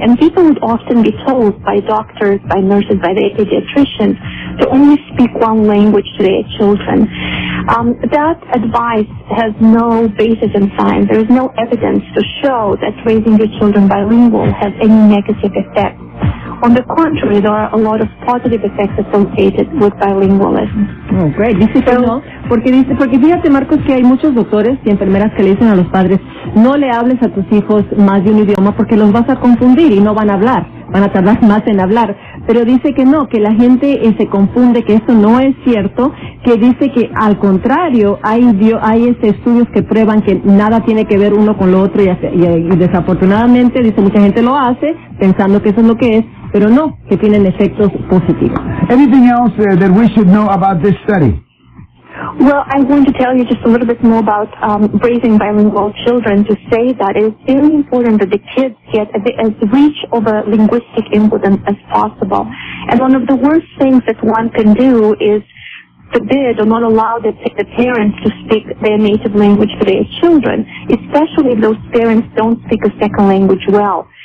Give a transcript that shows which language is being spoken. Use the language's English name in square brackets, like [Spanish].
[English] And people would often be told by doctors, by nurses, by the pediatricians to only speak one language to their children. That advice has no basis in science. There is no evidence to show that raising your children bilingual has any negative effect. On the contrary, there are a lot of positive effects associated with bilingualism. Oh, great. [Spanish] Dice que no. Porque fíjate, Marcos, que hay muchos doctores y enfermeras que le dicen a los padres, no le hables a tus hijos más de un idioma porque los vas a confundir y no van a hablar. Van a tardar más en hablar. Pero dice que no, que la gente se confunde, que eso no es cierto, que dice que al contrario, hay estudios que prueban que nada tiene que ver uno con lo otro y desafortunadamente, dice, mucha gente lo hace pensando que eso es lo que es, pero no, que tienen efectos positivos. [English] Anything else that we should know about this study? Well, I want to tell you just a little bit more about raising bilingual children to say that it is very important that the kids get as rich of a linguistic input as possible. And one of the worst things that one can do is forbid or not allow the parents to speak their native language to their children, especially if those parents don't speak a second language well.